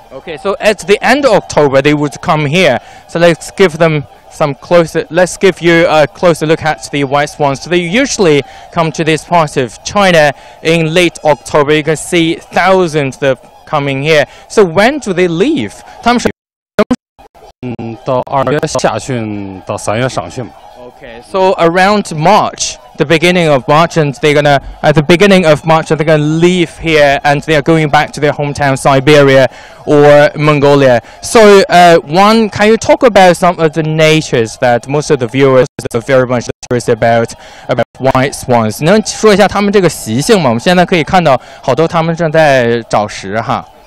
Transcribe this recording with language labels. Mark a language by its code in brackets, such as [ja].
[en] Okay, so at the end of October they would come here. So let's give them. Let's give you a closer look at the white swans. So they usually come to this part of China in late October. You can see thousands of coming here. So when do they leave? [zh] 他们是，到2月下旬到3月上旬吧。 [en] Okay, so around March, the beginning of March, and they're gonna at the beginning of March, they're gonna leave here, and they are going back to their hometown, Siberia or Mongolia. So, one, can you talk about some of the natures that most of the viewers are very much curious about white swans? [zh] 能说一下他们这个习性吗？我们现在可以看到好多他们正在找食哈。